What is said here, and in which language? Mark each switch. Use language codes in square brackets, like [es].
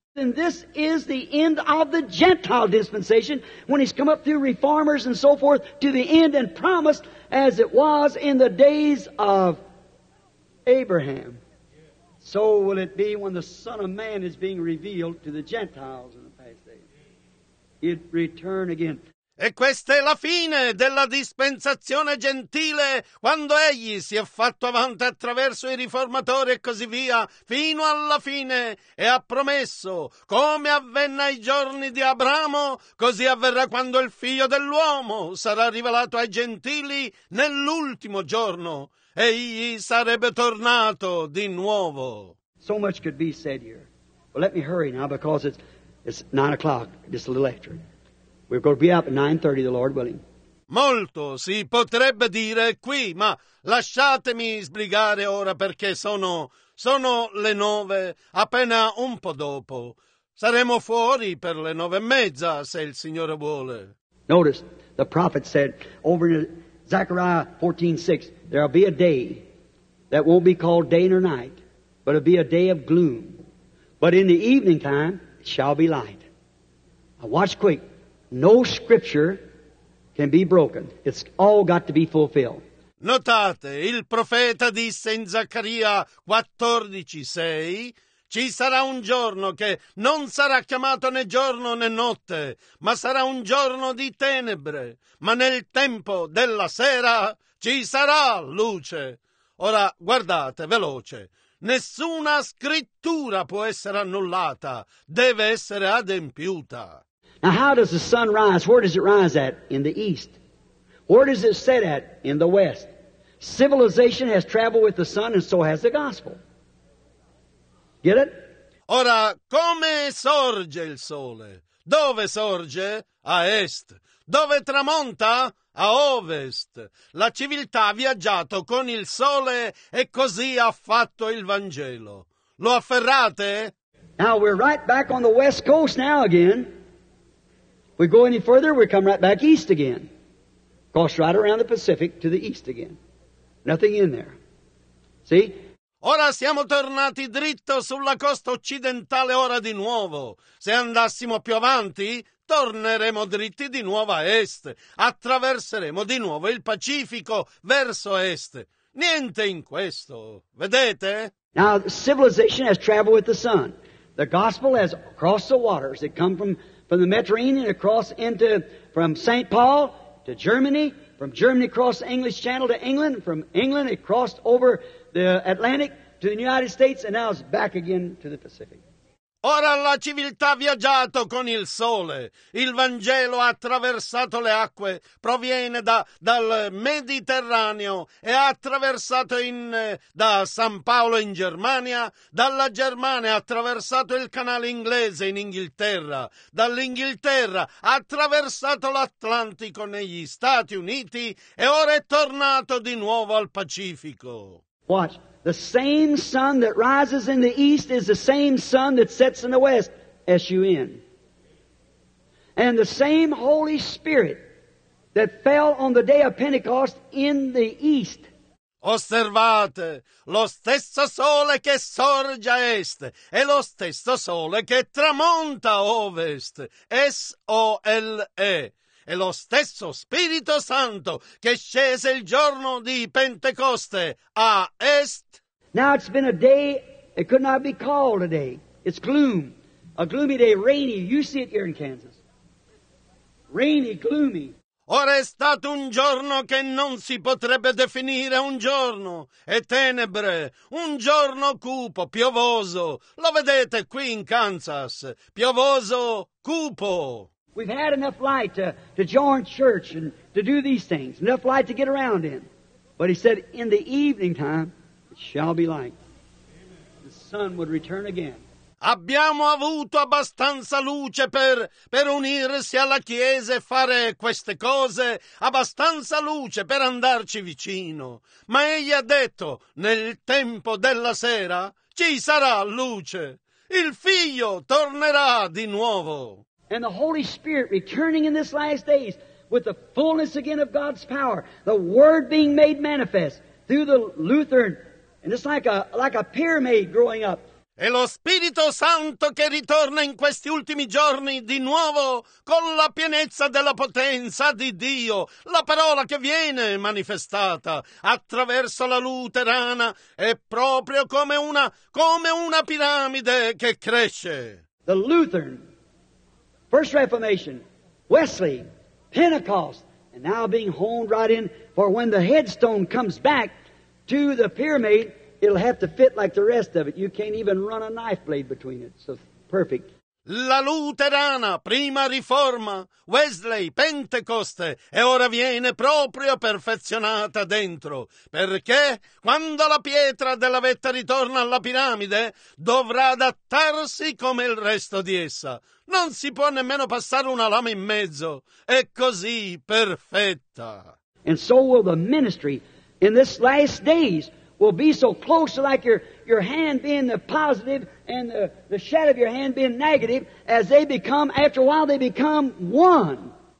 [en] And this is the end of the Gentile dispensation, when he's come up through reformers and so forth, to the end and promised, as it was in the days of Abraham. So will it be when the Son of Man is being revealed to the Gentiles in the past days. It return again. [it] E questa è la fine della dispensazione gentile, quando egli si è fatto avanti attraverso i riformatori e così via, fino alla fine, e ha promesso, come avvenne ai giorni di Abramo, così avverrà quando il figlio dell'uomo sarà rivelato ai gentili nell'ultimo giorno, e egli sarebbe tornato di nuovo. [en] So much could be said here. Well, let me hurry now, because it's 9 o'clock, just a little extra. We're going to be up at 9:30, the Lord willing. [it] Molto si potrebbe dire qui, ma lasciatemi sbrigare ora, perché sono le 9, appena un po' dopo. Saremo fuori per le 9:30, se il Signore vuole. [en] Notice, the prophet said over in Zechariah 14:6, there'll be a day that won't be called day nor night, but it'll be a day of gloom. But in the evening time, it shall be light. Now watch quick. No scripture can be broken. It's all got to be fulfilled. [it] Notate, il profeta disse in Zaccaria 14:6, ci sarà un giorno che non sarà chiamato né giorno né notte, ma sarà un giorno di tenebre, ma nel tempo della sera ci sarà luce. Ora guardate, veloce, nessuna scrittura può essere annullata, deve essere adempiuta. [en] Now, how does the sun rise? Where does it rise at? In the east. Where does it set at? In the west. Civilization has traveled with the sun, and so has the gospel. Get it? [it] Ora, come sorge il sole? Dove sorge? A est. Dove tramonta? A ovest. La civiltà ha viaggiato con il sole, e così ha fatto il Vangelo. Lo afferrate? [en] Now, we're right back on the west coast now again. We go any further, we come right back east again. Cross right around the Pacific to the east again. Nothing in there. See? [it] Ora siamo tornati dritto sulla costa occidentale ora di nuovo. Se andassimo più avanti, torneremo dritti di nuovo a est. Attraverseremo di nuovo il Pacifico verso est. Niente in questo. Vedete? [en] Now, civilization has traveled with the sun. The gospel has crossed the waters. It come from the Mediterranean across into, from St. Paul to Germany, from Germany across the English Channel to England, from England it crossed over the Atlantic to the United States, and now it's back again to the Pacific. [it] Ora la civiltà ha viaggiato con il sole, il Vangelo ha attraversato le acque, proviene dal Mediterraneo e ha attraversato da San Paolo in Germania, dalla Germania ha attraversato il canale inglese in Inghilterra, dall'Inghilterra ha attraversato l'Atlantico negli Stati Uniti e ora è tornato di nuovo al Pacifico. [en] Watch. The same sun that rises in the east is the same sun that sets in the west, S-U-N. And the same Holy Spirit that fell on the day of Pentecost in the east. [it] Osservate, lo stesso sole che sorge a est e lo stesso sole che tramonta a ovest, S-O-L-E. E lo stesso Spirito Santo che scese il giorno di Pentecoste a est. [en] Now it's been a day, it could not be called a day. It's gloom, a gloomy day, rainy. You see it here in Kansas. rainy, gloomy. [it] Ora è stato un giorno che non si potrebbe definire un giorno, e tenebre, un giorno cupo, piovoso. Lo vedete qui in Kansas, piovoso, cupo. [en] We've had enough light to join church and to do these things, enough light to get around in. But he said, in the evening time, it shall be light. The sun would return again. [it] Abbiamo avuto abbastanza luce per unirsi alla Chiesa e fare queste cose, abbastanza luce per andarci vicino. Ma egli ha detto, nel tempo della sera ci sarà luce. Il Figlio tornerà di nuovo. [en] And the Holy Spirit returning in this last days with the fullness again of God's power, the Word being made manifest through the Lutheran, and it's like a pyramid growing up. [it] E lo Spirito Santo che ritorna in questi ultimi giorni di nuovo con la pienezza della potenza di Dio, la parola che viene manifestata attraverso la luterana è proprio come una piramide che cresce. [en] The Lutheran, First Reformation, Wesley, Pentecost, and now being honed right in, for when the headstone comes back to the pyramid, it'll have to fit like the rest of it. You can't even run a knife blade between it. So perfect. [it] La Luterana, prima Riforma, Wesley, Pentecoste, e ora viene proprio perfezionata dentro. Perché quando la pietra della vetta ritorna alla piramide, dovrà adattarsi come il resto di essa. Non si può nemmeno passare una lama in mezzo. È così perfetta. [en] And so will the ministry in this last days will be so close like your hand being the positive and the shadow of your hand being negative as they become, after a while, they become one.